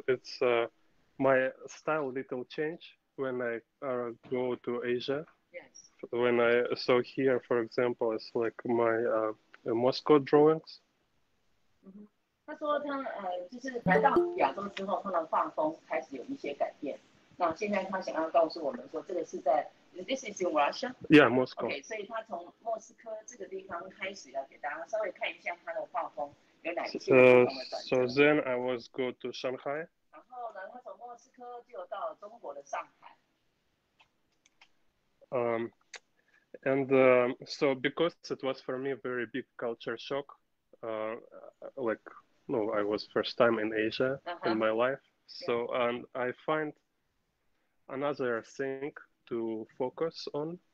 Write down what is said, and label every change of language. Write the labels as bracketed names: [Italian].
[English] It's my style little change when I go to Asia. When I saw here, for example, it's like my Moscow drawings. Mm-hmm. [Chinese] 他说他就是来到亚洲之后，他的画风开始有一些改变。那现在他想要告诉我们说，这个是在 [English] This is in Russia. Yeah, Moscow. [Chinese] Okay, 所以他从莫斯科这个地方开始要给大家稍微看一下他的画风有哪些不同的转折。 [English] So then I was go to Shanghai. [Chinese] 然后呢，他从莫斯科就到了中国的上海。 [English] And so because it was for me a very big culture shock, I was first time in Asia uh-huh. in my life. So, yeah. And I find another thing to focus on.